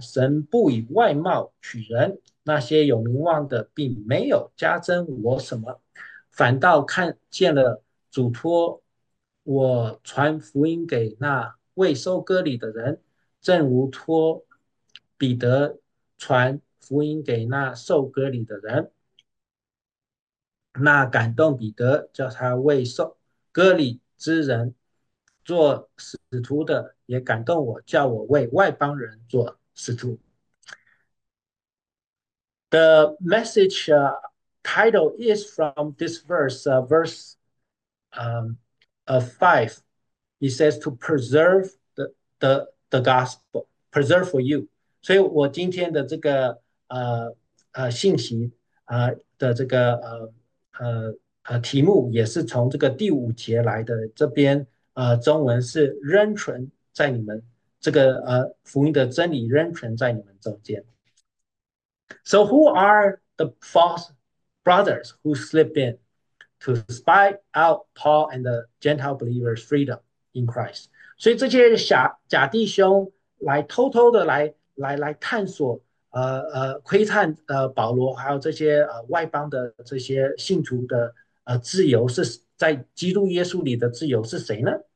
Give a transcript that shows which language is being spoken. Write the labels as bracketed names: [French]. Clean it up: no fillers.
[Chinese] 神不以外貌取人。那些有名望的，并没有加增我什么，反倒看见了主托我传福音给那未收割礼的人，正如托彼得传福音给那受割礼的人。那感动彼得，叫他未受割礼之人做使徒的，也感动我，叫我为外邦人做使徒。 [English] The message title is from this verse, verse 5. It says to preserve the gospel, preserve for you. [Chinese] 所以我今天的这个信息的这个题目也是从这个第五节来的。这边中文是仍存在你们这个福音的真理仍存在你们中间。 [English] So who are the false brothers who slip in to spy out Paul and the Gentile believers' freedom in Christ? [Chinese] 所以这些假弟兄来偷偷的来探索，窥探保罗还有这些外邦的这些信徒的自由是在基督耶稣里的自由是谁呢